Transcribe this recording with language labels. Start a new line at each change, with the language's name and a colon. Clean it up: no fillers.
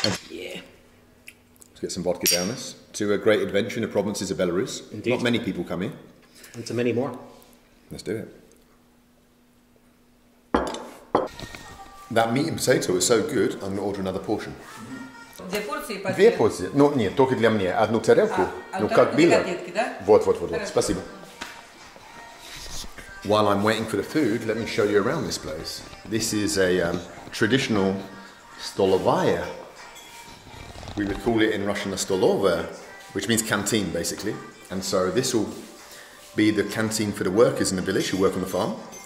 English: Yeah. Let's get some vodka down this. To a great adventure in the provinces of Belarus. Indeed. Not many people come here. And to many more. Let's do it. That meat and potato is so good, I'm going to order another portion.
Russian: Две порции, пожалуйста. Две порции? Ну, нет, только для меня. Одну тарелку, ну, как было. Вот. Спасибо.
English: While I'm waiting for the food, let me show you around this place. This is a traditional stolovaya. We would call it in Russian a stolovaya, which means canteen, basically. And so this will be the canteen for the workers in the village who work on the farm.